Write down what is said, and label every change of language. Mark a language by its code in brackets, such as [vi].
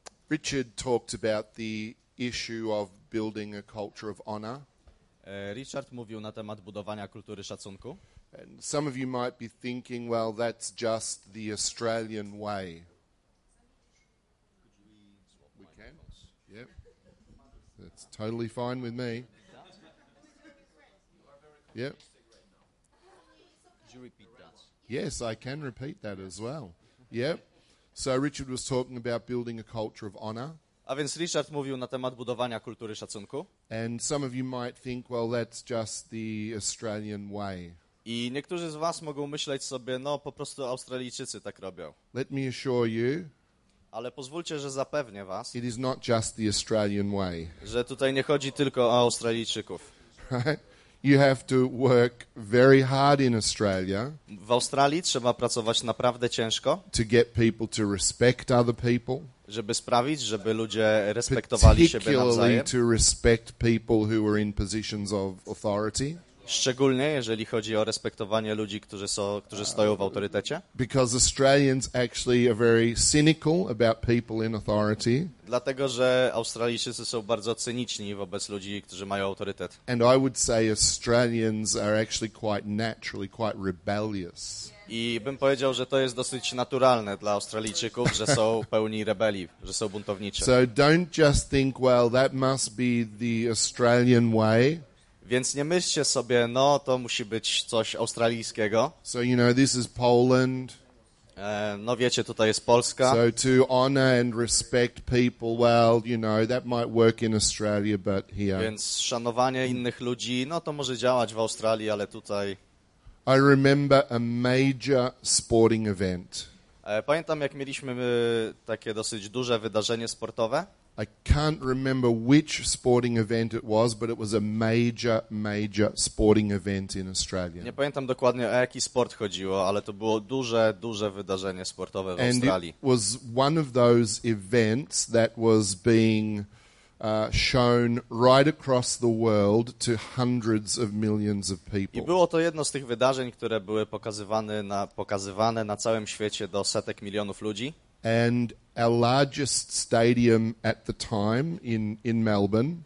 [en] Richard talked about the issue of building a culture of honor. [pl] Richard mówił na temat budowania kultury szacunku. [en] And some of you might be thinking, well, that's just the Australian way. That's totally fine with me. Yep. Could you repeat that? Yes, I can repeat that as well. Yep. So Richard was talking about building a culture of honor. [pl] A więc Richard mówił na temat budowania kultury szacunku. [en] And some of you might think, well, that's just the Australian way. [pl] I niektórzy z was mogą myśleć sobie, no po prostu Australijczycy tak robią. [en] Let me assure you. [pl] Ale pozwólcie, że zapewnię was. [en] It is not just the Australian way. [pl] Że tutaj nie chodzi tylko o Australijczyków. [en] Right? You have to work very hard in Australia. [pl] W Australii trzeba pracować naprawdę ciężko. [en] To get people to respect other people. [pl] Żeby sprawić, żeby ludzie respektowali siebie nawzajem. [en] Particularly to respect people who are in positions of authority. [pl] Szczególnie jeżeli chodzi o respektowanie ludzi, którzy stoją w autorytecie. [en] Because Australians actually are very cynical about people in authority. [pl] Dlatego, że Australijczycy są bardzo cyniczni wobec ludzi, którzy mają autorytet. [en] And I would say Australians are actually quite naturally quite rebellious. [pl] I bym powiedział, że to jest dosyć naturalne dla Australijczyków, że są pełni rebelii, że są buntowniczy. [en] So don't just think, well, that must be the Australian way. [pl] Więc nie myślcie sobie, no to musi być coś australijskiego. [en] So you know, this is Poland. [pl] No wiecie, tutaj jest Polska. [en] So to honor and respect people, well, you know, that might work in Australia, but here. [pl] Więc szanowanie innych ludzi, no to może działać w Australii, ale tutaj. [en] I remember a major sporting event. [pl] Pamiętam, jak mieliśmy takie dosyć duże wydarzenie sportowe. [en] I can't remember which sporting event it was, but it was a major, major sporting event in Australia. [pl] Nie pamiętam dokładnie, o jaki sport chodziło, ale to było duże, duże wydarzenie sportowe w Australii. [en] And it was one of those events that was being shown right across the world to hundreds of millions of people. [pl] I było to jedno z tych wydarzeń, które były pokazywane na całym świecie do setek milionów ludzi. [en] And our largest stadium at the time in Melbourne.